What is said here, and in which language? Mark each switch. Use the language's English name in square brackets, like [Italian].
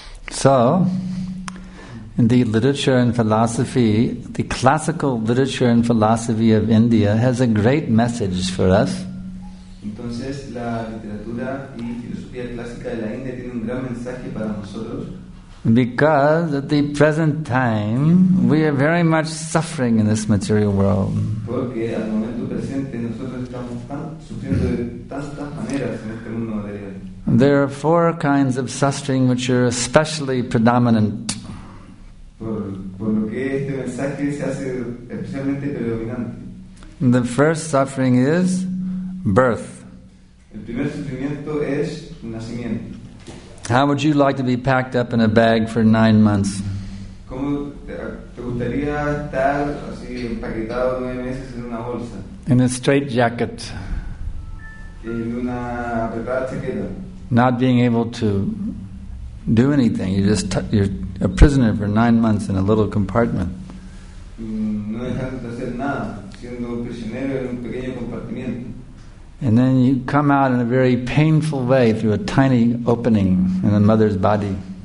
[English] So, in the literature and philosophy, the classical literature and philosophy of India has a great message for us. [Spanish] Entonces, la literatura y filosofía clásica de la India tiene un gran mensaje para nosotros. [English] Because at the present time, we are very much suffering in this material world. [Spanish] Porque al momento presente nosotros estamos sufriendo de tantas maneras en este mundo material. [English] There are four kinds of suffering which are especially predominant. [Spanish] Por lo que este mensaje se hace especialmente predominante. [English] The first suffering is birth. [Spanish] El primer sufrimiento es nacimiento. [English] How would you like to be packed up in a bag for 9 months? [Spanish] ¿Cómo te gustaría estar así empaquetado 9 meses en una bolsa? [English] In a straight jacket. [Spanish] En una apretada chaqueta. [English] Not being able to do anything. You're a prisoner for 9 months in a little compartment. [Spanish] No dejando de hacer nada, siendo prisionero en un pequeño compartimiento. [English] And then you come out in a very painful way through a tiny opening in the mother's body.